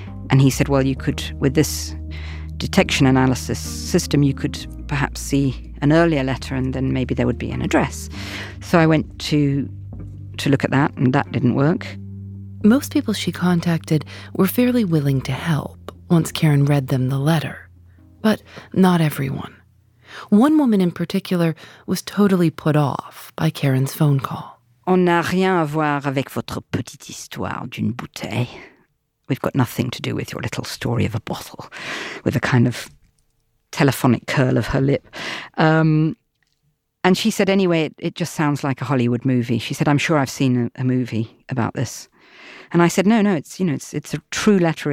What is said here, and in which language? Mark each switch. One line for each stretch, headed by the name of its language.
English: And he said, well, you could, with this detection analysis system, you could perhaps see an earlier letter and then maybe there would be an address. So I went to look at that, and that didn't work. Most people she contacted were fairly willing to help once Karen read them the letter, but not everyone. One woman in particular was totally put off by Karen's phone call.
French: On n'a rien à voir avec votre petite histoire d'une bouteille.
English: We've got nothing to do with your little story of a bottle, with a kind of telephonic curl of her lip. And she said, anyway, it just sounds like a Hollywood movie. She said, I'm sure I've seen a movie about this. And I said, no, it's a true letter.